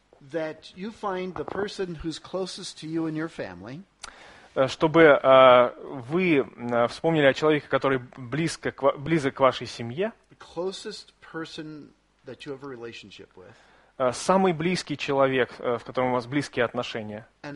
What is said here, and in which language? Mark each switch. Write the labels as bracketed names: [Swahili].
[English] That you find the person who's closest to you in your family. [Russian] Чтобы вы вспомнили о человеке, который близок к вашей семье. [English] The closest person that you have a relationship with. [Russian] Самый близкий человек, в котором у вас близкие отношения.